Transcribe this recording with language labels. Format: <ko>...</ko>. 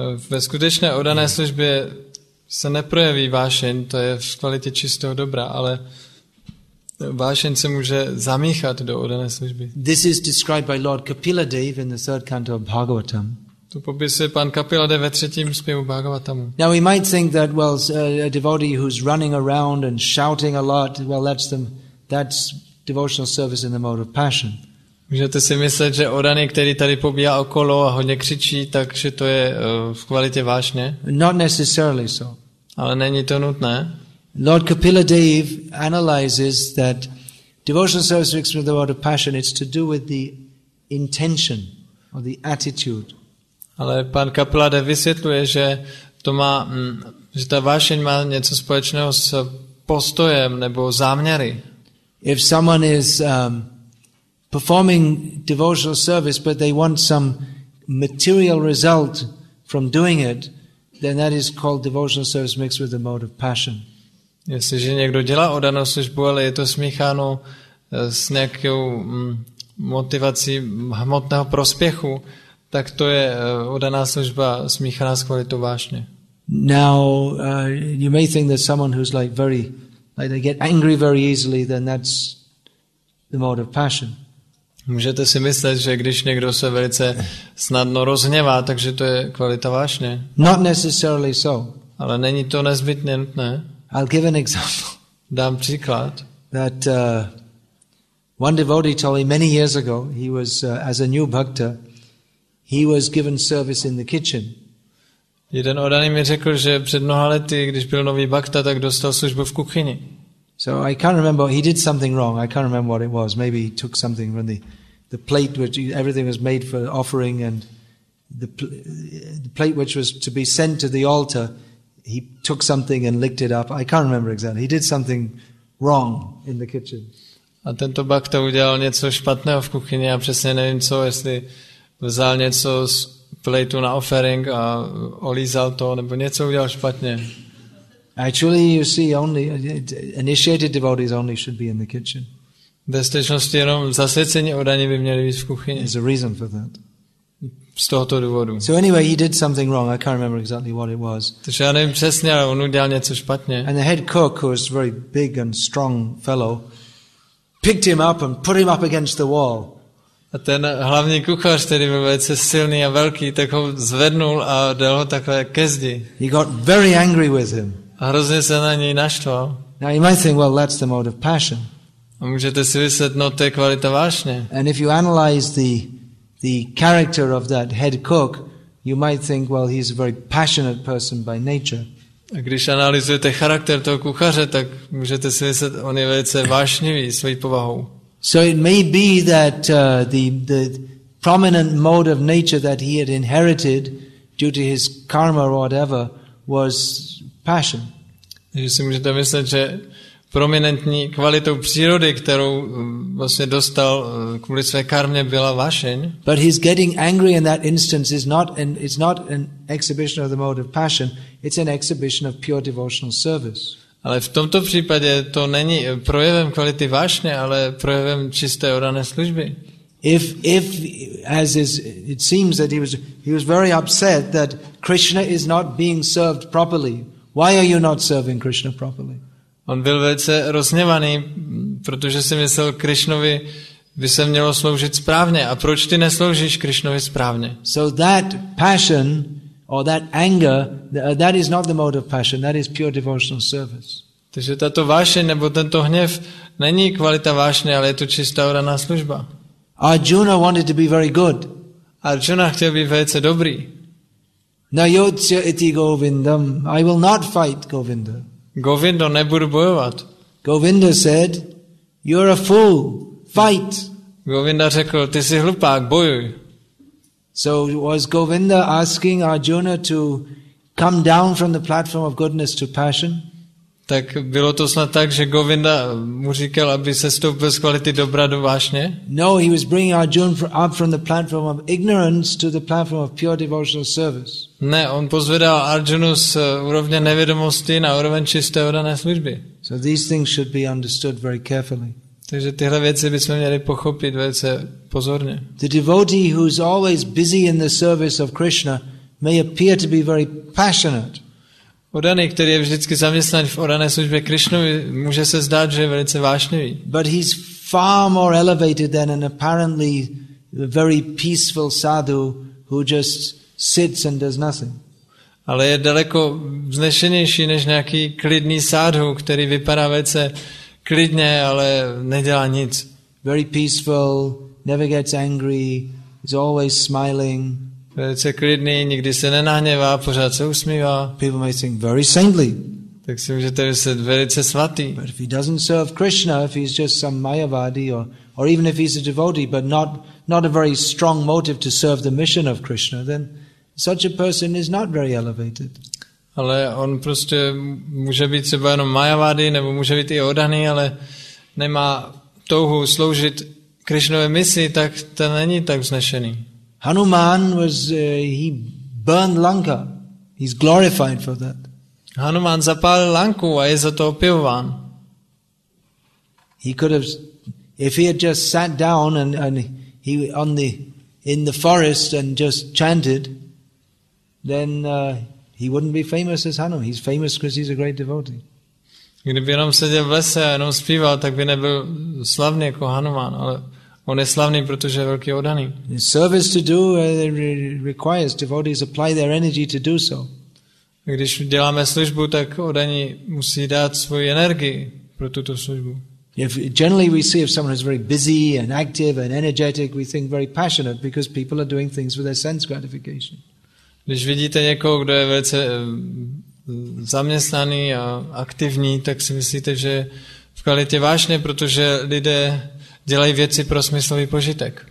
<cs>Ve skutečné oddané službě se neprojeví vášeň, to je v kvalitě čistého dobra, ale vášeň se může zamíchat do oddané služby.</cs> <en>This is described by Lord Kapila Dev in the third canto of Bhagavatam.</en> <cs>To popisuje pan Kapila Dev ve třetím zpěvu Bhagavatamu.</cs> <en>Now we might think that, well, a devotee who's running around and shouting a lot, well, that's them, that's devotional service in the mode of passion.</en> <cs>Můžete si myslet, že oddaný, který tady pobíhá okolo a hodně křičí, takže to je v kvalitě vášně.</cs> <en>Not necessarily so.</en> <cs>Ale není to nutné.</cs> <en>Lord Kapila Dev analyzes that devotional service mixed with the mode of passion, it's to do with the intention or the attitude.</en> <cs>Ale pan Kapila Dev vysvětluje, že to má, že ta vášeň má něco společného s postojem nebo záměry.</cs> <en>If someone is performing devotional service, but they want some material result from doing it, then that is called devotional service mixed with the mode of passion.</en> <cs>Jestliže někdo dělá oddanou službu, ale je to smícháno s nějakou motivací hmotného prospěchu, tak to je oddaná služba smíchaná s kvalitou vášně.</cs> <en>Now, you may think that someone who's like very, like they get angry very easily, then that's the mode of passion.</en> <cs>Můžete si myslet, že když někdo se velice snadno rozhněvá, takže to je kvalita vášně.</cs> <en>Not necessarily so.</en> <cs>Ale není to nezbytně nutné.</cs> <en>I'll give an example.</en> <cs>Dám příklad.</cs> <en>That one devotee told me many years ago, he was as a new bhakta, he was given service in the kitchen.</en> <cs>Jeden oddaný mi řekl, že před mnoha lety, když byl nový bhakta, tak dostal službu v kuchyni.</cs> <en>So I can't remember, he did something wrong. I can't remember what it was. Maybe he took something from the plate, which everything was made for offering, and the plate which was to be sent to the altar, he took something and licked it up. I can't remember exactly. He did something wrong in the kitchen.</en> <cs>A tento bakta udělal něco špatného v kuchyni, a přesně nevím co, jestli vzal něco z plateu na offering a olízal to, nebo něco udělal špatně.</cs> <en>Actually, you see, only initiated devotees only should be in the kitchen.</en> <cs>Ve skutečnosti jenom zasvěcení oddaní by měli být v kuchyni.</cs> <en>There's a reason for that.</en> <cs>Z tohoto důvodu.</cs> <en>So anyway, he did something wrong. I can't remember exactly what it was.</en> <cs>Takže já nevím přesně, ale on udělal něco špatně.</cs> <en>And the head cook, who was a very big and strong fellow, picked him up and put him up against the wall.</en> <cs>A ten hlavní kuchař, který byl velice silný a velký, tak ho zvednul a dal ho takhle ke zdi.</cs> <en>He got very angry with him.</en> <cs>A hrozně se na něj naštval.</cs> <en>Now you might think, well, that's the mode of passion.</en> <cs>A můžete si myslet, no, to je kvalita vášně.</cs> <en>And if you analyze the character of that head cook, you might think, well, he's a very passionate person by nature.</en> <cs>A když analyzujete charakter toho kuchaře, tak můžete si myslet, on je velice vášnivý svojí povahou.</cs> <en>So it may be that the prominent mode of nature that he had inherited due to his karma or whatever was passion.</en> <cs>Takže si můžete myslet, že prominentní kvalitou přírody, kterou vlastně dostal kvůli své karmě, byla vášeň.</cs> <en>But his getting angry in that instance is not an it's not an exhibition of the mode of passion, it's an exhibition of pure devotional service.</en> <cs>Ale v tomto případě to není projevem kvality vášně, ale projevem čisté oddané služby.</cs> <en>If as is, it seems that he was very upset that Krishna is not being served properly. Why are you not serving Krishna properly?</en> <cs>On byl velice rozněvaný, protože si myslel, Krišnovi by se mělo sloužit správně. A proč ty nesloužíš Krišnovi správně?</cs> <en>So that passion or that anger, that is not the mode of passion, that is pure devotional service.</en> <cs>Takže tato vášeň nebo tento hněv není kvalita vášně, ale je to čistá oraná služba.</cs> <en>Arjuna wanted to be very good.</en> <cs>Arjuna chtěl být velice dobrý.</cs> <sa>Na yodcha iti govindam,</sa> <en>I will not fight Govinda.</en> <cs>Govinda, nebudu bojovat.</cs> <en>Govinda said, you're a fool, fight.</en> <cs>Govinda řekl, ty jsi hlupák, bojuj.</cs> <en>So was Govinda asking Arjuna to come down from the platform of goodness to passion?</en> <cs>Tak bylo to snad tak, že Govinda mu říkal, aby se stoupil z kvality dobra do vášně?</cs> <en>No, he was bringing Arjuna up from the platform of ignorance to the platform of pure devotional service.</en> <cs>Ne, on pozvedal Arjunu z úrovně nevědomosti na úroveň čisté oddané služby.</cs> <en>So these things should be understood very carefully.</en> <cs>Takže tyhle věci bychom měli pochopit velice pozorně.</cs> <en>The devotee who is always busy in the service of Krishna may appear to be very passionate.</en> <cs>Oddaný, který je vždycky zaměstnaný v oddané službě Krišnovi, může se zdát, že je velice vášnivý.</cs> <en>But he's far more elevated than an apparently very peaceful sadhu who just sits and does nothing.</en> <cs>Ale je daleko vznešenější než nějaký klidný sadhu, který vypadá velice klidně, ale nedělá nic.</cs> <en>Very peaceful, never gets angry, is always smiling.</en> <cs>Velice klidný, nikdy se nenahněvá, pořád se usmívá.</cs> <en>People may think very saintly.</en> <cs>Tak si můžete myslet velice svatý.</cs> <en>But if he doesn't serve Krishna, if he's just some mayavadi or even if he's a devotee, but not a very strong motive to serve the mission of Krishna, then such a person is not very elevated.</en> <cs>Ale on prostě může být třeba jenom mayavadi, nebo může být i oddaný, ale nemá touhu sloužit Krišnové misi, tak to není tak vznešený.</cs> <en>Hanuman was he burned Lanka. He's glorified for that.</en> <cs>Hanuman zapálil Lanku a je za to opěvován.</cs> <en>He could have, if he had just sat down and he on the in the forest and just chanted, then he wouldn't be famous as Hanuman. He's famous because he's a great devotee.</en> <cs>Kdyby jenom seděl v lese a jenom zpíval, tak by nebyl slavný jako Hanuman, ale on je slavný, protože je velký oddaný.</cs> <en>The service to do requires devotees apply their energy to do so.</en> <cs>Když děláme službu, tak oddaní musí dát svoji energii pro tuto službu.</cs> <en>If generally we see if someone is very busy and active and energetic, we think very passionate because people are doing things with their sense gratification.</en> <cs>Když vidíte někoho, kdo je velice zaměstnaný a aktivní, tak si myslíte, že v kvalitě vášně, protože lidé dělají věci pro smyslový požitek.</cs>